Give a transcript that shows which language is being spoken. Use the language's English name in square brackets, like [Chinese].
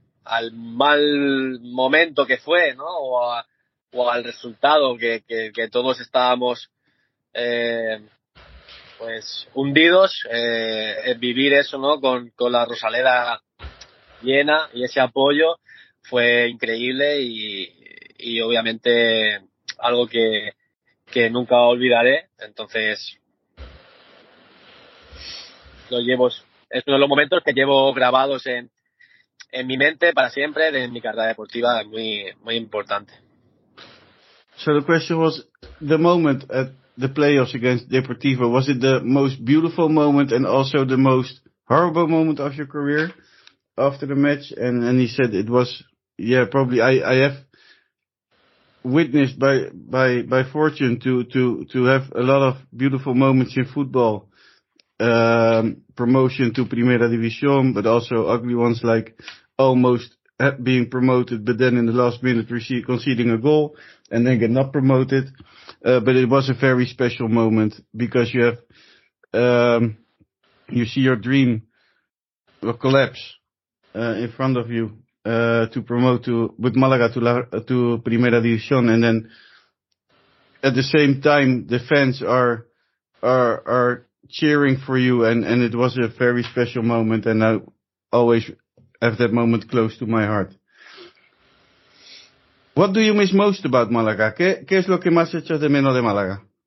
[Spanish] al mal momento que fue, ¿no?, o al resultado que todos estábamos pues hundidos, vivir eso, ¿no?, con la Rosaleda llena y ese apoyo fue increíble y obviamente algo que nunca olvidaré. Entonces es uno de los momentos que llevo grabados en mi mente para siempre, de mi carrera deportiva, muy muy importante. [English] So the question was, the moment at the playoffs against Deportivo, was it the most beautiful moment and also the most horrible moment of your career after the match? And he said it was, yeah, probably I have witnessed by fortune to have a lot of beautiful moments in football. Promotion to Primera División, but also ugly ones like almost being promoted, but then in the last minute conceding a goal and then get not promoted. But it was a very special moment because you have, you see your dream collapse, in front of you, to promote with Málaga to Primera División. And then at the same time, the fans are cheering for you, and it was a very special moment, and I always have that moment close to my heart. What do you miss most about Málaga? [Spanish] ¿Qué es lo que más echas de menos de Málaga?